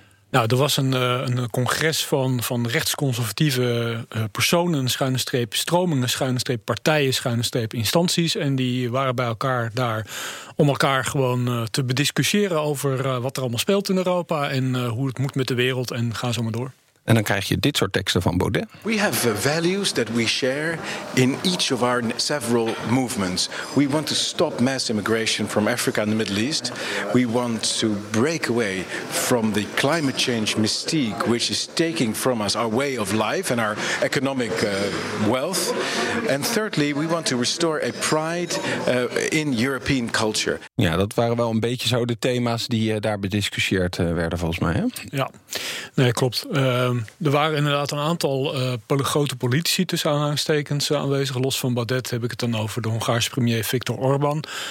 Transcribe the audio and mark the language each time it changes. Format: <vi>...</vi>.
<nl>Nou, er was een congres van rechtsconservatieve personen, schuine streep stromingen, schuine streep partijen, schuine streep instanties. En die waren bij elkaar daar om elkaar gewoon te bediscussiëren over wat er allemaal speelt in Europa en hoe het moet met de wereld en ga zo maar door. En dan krijg je dit soort teksten van Baudet.</nl> <en>We have values that we share in each of our several movements. We want to stop mass immigration from Africa and the Middle East. We want to break away from the climate change mystique, which is taking from us our way of life and our economic wealth. And thirdly, we want to restore a pride in European culture.</en> <nl>Ja, dat waren wel een beetje zo de thema's die daar bediscussieerd werden volgens mij. Hè? Ja, nee, klopt. Er waren inderdaad een aantal grote politici tussen aanhalingstekens aanwezig. Los van Baudet heb ik het dan over de Hongaarse premier Viktor Orbán.</nl>